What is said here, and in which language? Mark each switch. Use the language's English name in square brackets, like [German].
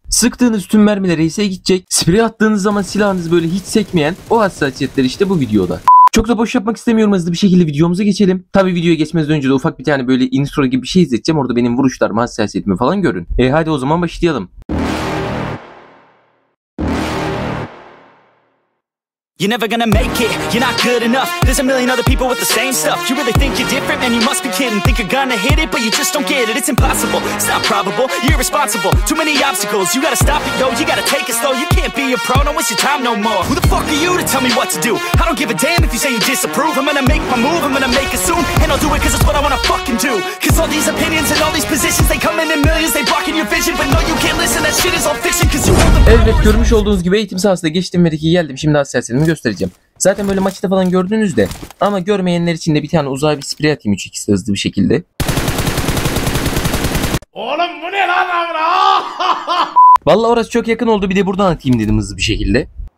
[Turkish] Sıktığınız tüm mermiler ise gidecek. Sprey attığınız zaman silahınız böyle hiç sekmeyen o hassasiyetler işte bu videoda. Çok da boş yapmak istemiyorum, hızlı bir şekilde videomuza geçelim. Tabi videoya geçmeden önce de ufak bir tane böyle intro gibi bir şey izleteceğim. Orada benim vuruşlarımı, hassasiyetimi falan görün. Hadi o zaman başlayalım. [English] You're never gonna make it, you're not good enough. There's a million other people with the same stuff. You really think you're different, man, you must be kidding. Think you're gonna hit it, but you just don't get it. It's impossible, it's not probable, you're irresponsible. Too many obstacles, you gotta stop it, yo. You gotta take it slow, you can't be a pro. Don't waste your time no more. Who the fuck are you to tell me what to do? I don't give a damn if you say you disapprove. I'm gonna make my move, I'm gonna make it soon. And I'll do it cause it's what I wanna fucking do. Cause all these opinions and all these positions, they come in millions, they blocking your vision. But no, you can't listen, that shit is all fiction. Cause you hold the power. [Turkish] Evet, görmüş olduğunuz gibi eğitim sahasında geçtim ve iki geldim. Şimdi hassasiyetimi göstereceğim. Zaten böyle maçta falan gördünüz de, ama görmeyenler için de bir tane uzay bir sprey atayım 3x'de hızlı bir şekilde. Oğlum bu ne lan amına? Vallahi orası çok yakın oldu, bir de buradan atayım dedim hızlı bir şekilde.